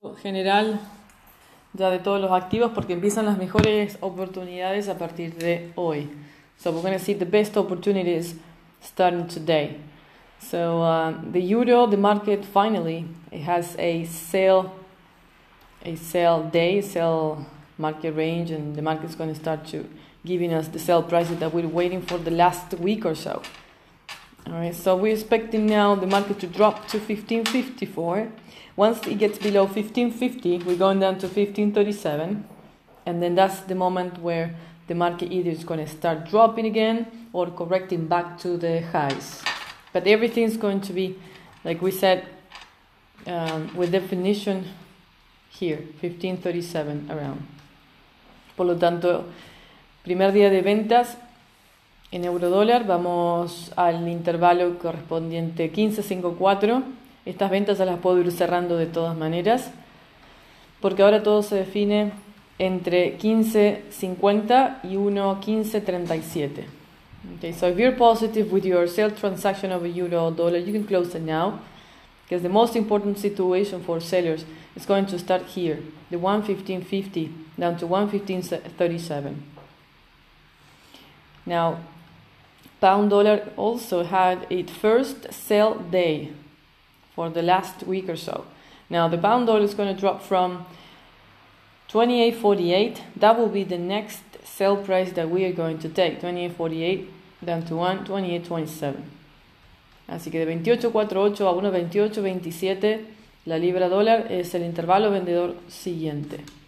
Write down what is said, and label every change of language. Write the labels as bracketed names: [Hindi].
[Spanish] general ya de todos los activos porque empiezan las mejores oportunidades a partir de hoy. [English] So we're going to see the best opportunities starting today. So the euro, the market finally, it has a sell day, sell market range, and the market's going to start to giving us the sell prices that we're waiting for the last week or so. All right, so we're expecting now the market to drop to 1554. Once it gets below 1550, we're going down to 1537, and then that's the moment where the market either is going to start dropping again or correcting back to the highs. But everything's going to be, like we said, with definition here, 1537 around. [Spanish] Por lo tanto, primer día de ventas en euro dólar, vamos al intervalo correspondiente 1554. Estas ventas ya las puedo ir cerrando de todas maneras, porque ahora todo se define entre 1550 y 1537. [English] Okay, so if you're positive with your sale transaction of a euro dollar, you can close it now, because the most important situation for sellers is going to start here, the 1550 down to 1537. Now, pound dollar also had its first sell day for the last week or so. Now, the pound dollar is going to drop from 28.48. That will be the next sell price that we are going to take, 28.48 down to 1.2827. [Spanish] Así que de 28.48 a 1.2827, la libra dólar es el intervalo vendedor siguiente.